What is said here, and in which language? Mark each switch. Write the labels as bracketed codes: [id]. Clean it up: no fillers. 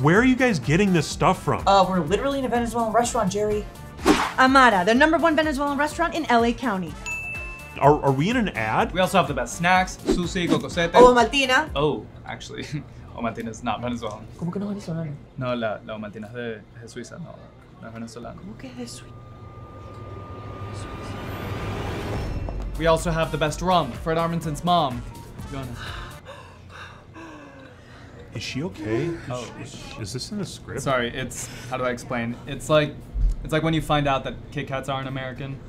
[en] Where are you guys getting this stuff from? We're literally in a Venezuelan restaurant, Jerry. Amara, the number one Venezuelan restaurant in LA County. Are we in an ad? We also have the best snacks, sushi, cocosete. Ovomaltina. Oh, actually, Ovomaltina is not Venezuelan. [es] ¿Cómo que no es venezolano? No, la Ovomaltina es suiza, no, no es venezolano. ¿Cómo que es suiza? [en] We also have the best rum, Fred Armisen's mom, Joanna. Is she okay? Is this in the script? Sorry, how do I explain? It's like when you find out that Kit Kats aren't American.